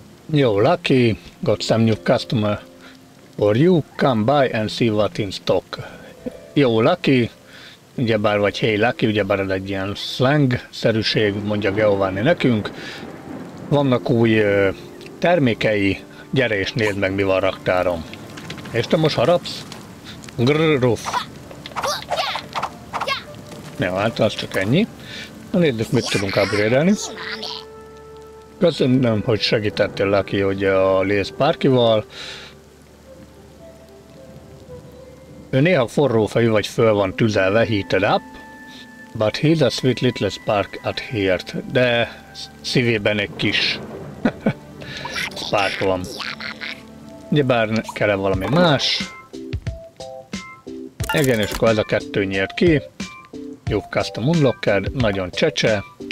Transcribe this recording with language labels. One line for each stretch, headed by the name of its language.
English: Jó, Lucky, got some new customer for you, come by and see what in stock.
Hungarian: Jó, Lucky, ugyebár vagy hey Lucky, ugyebár ez egy ilyen slang-szerűség, mondja Geovanni nekünk. Vannak új termékei, gyere és nézd meg, mi van raktárom. És te most harapsz? Grr, ruf. Jó, hát az csak ennyi. Na nézzük, mit tudunk upgrade-elni. Köszönöm, hogy segítettél Lucky, hogy a Liz Parkival. Ő néha forró fejű vagy föl van tüzelve,
English: heated up. But he's a sweet little spark at heart.
Hungarian: De szívében egy kis spark van. Ugyebár kell-e valami más. Igen, és akkor ez a kettő nyert ki. Jó custom unlocked, nagyon csecse.